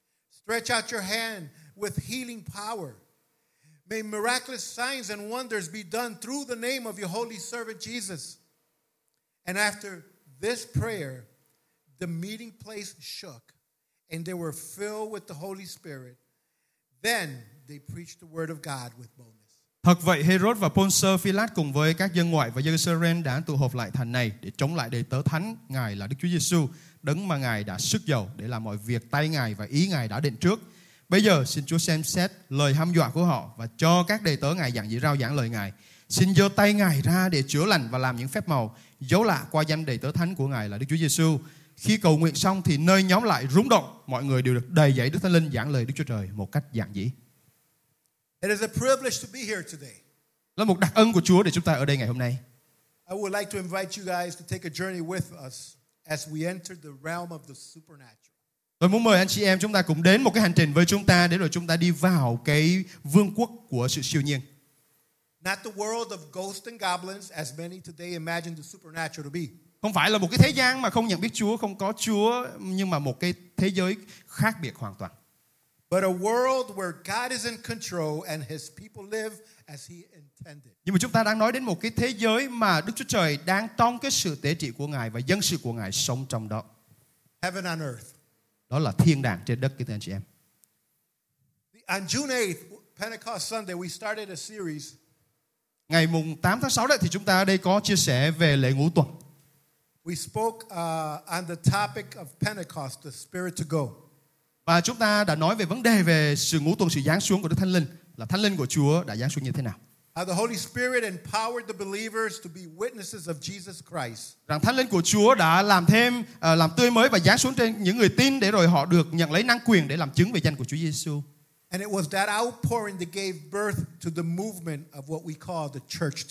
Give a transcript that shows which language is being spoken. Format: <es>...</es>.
<en>Stretch out your hand with healing power. May miraculous signs and wonders be done through the name of your holy servant Jesus. And after this prayer, the meeting place shook. and they were filled with the Holy Spirit, then they preached the word of God with boldness.</en> <vi>Thật vậy, Herod và Pontius Pilate cùng với các dân ngoại và dân Israel đã tụ họp lại thành này để chống lại đầy tớ thánh Ngài là Đức Chúa Giêsu, đấng mà Ngài đã sức dầu để làm mọi việc tay Ngài và ý Ngài đã định trước. Bây giờ xin Chúa xem xét lời hăm dọa của họ và cho các đầy tớ Ngài giảng dĩ rao giảng lời Ngài. Xin giơ tay Ngài ra để chữa lành và làm những phép màu dấu lạ qua danh đầy tớ thánh của Ngài là Đức Chúa Giêsu. Khi cầu nguyện xong thì nơi nhóm lại rúng động, mọi người đều được đầy dẫy Đức Thánh Linh giảng lời Đức Chúa Trời một cách giản dị.</vi> <en>It is a privilege to be here today.</en> <vi>Là một đặc ân của Chúa để chúng ta ở đây ngày hôm nay.</vi> <en>I would like to invite you guys to take a journey with us as we enter the realm of the supernatural.</en> <vi>Tôi muốn mời anh chị em chúng ta cùng đến một cái hành trình với chúng ta để rồi chúng ta đi vào cái vương quốc của sự siêu nhiên.</vi> <en>Not the world of ghosts and goblins as many today imagine the supernatural to be.</en> <vi>Không phải là một cái thế gian mà không nhận biết Chúa, không có Chúa, nhưng mà một cái thế giới khác biệt hoàn toàn.</vi> <en>But a world where God is in control and his people live as he intended.</en> <vi>Nhưng mà chúng ta đang nói đến một cái thế giới mà Đức Chúa Trời đang trong cái sự tế trị của Ngài và dân sự của Ngài sống trong đó.</vi> <en>Heaven on earth.</en> <vi>Đó là thiên đàng trên đất, kính thưa anh chị em.</vi> <en>On June 8th, Pentecost Sunday, we started a series.</en> <vi>Ngày mùng 8 tháng 6 đấy thì chúng ta ở đây có chia sẻ về lễ ngũ tuần.</vi> <en>We spoke on the topic of Pentecost, the Spirit to go.</en> <vi>Và chúng ta đã nói về vấn đề về sự ngũ tuần, sự giáng xuống của Đức Thánh Linh, là Thánh Linh của Chúa đã giáng xuống như thế nào.</vi> <en>How the Holy Spirit empowered the believers to be witnesses of Jesus Christ.</en> <vi>Rằng Thánh Linh của Chúa đã làm thêm, làm tươi mới và giáng xuống trên những người tin để rồi họ được nhận lấy năng quyền để làm chứng về danh của Chúa Giêsu.</vi> <en>And it was that outpouring that gave birth to the movement of what we call the church.</en>